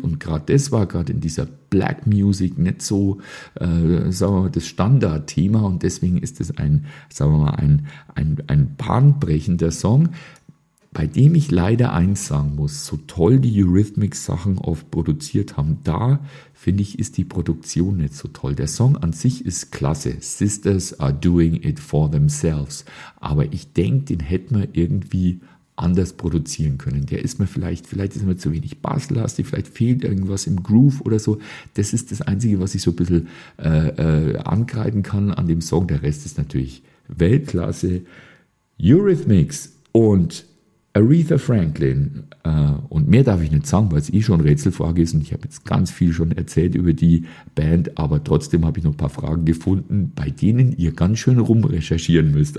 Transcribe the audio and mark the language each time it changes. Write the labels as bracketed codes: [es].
[de] Und gerade das war gerade in dieser Black Music nicht so, sagen wir mal, das Standardthema. Und deswegen ist es ein, sagen wir mal, ein bahnbrechender Song, bei dem ich leider eins sagen muss, so toll die Eurythmics Sachen oft produziert haben, da finde ich, ist die Produktion nicht so toll. Der Song an sich ist klasse. [en] Sisters are doing it for themselves. [de] Aber ich denke, den hätten wir irgendwie anders produzieren können. Der ist mir vielleicht ist mir zu wenig basslastig, vielleicht fehlt irgendwas im Groove oder so. Das ist das Einzige, was ich so ein bisschen angreifen kann an dem Song. Der Rest ist natürlich Weltklasse. Eurythmics und Aretha Franklin, und mehr darf ich nicht sagen, weil es eh schon Rätselfrage ist und ich habe jetzt ganz viel schon erzählt über die Band, aber trotzdem habe ich noch ein paar Fragen gefunden, bei denen ihr ganz schön rumrecherchieren müsst.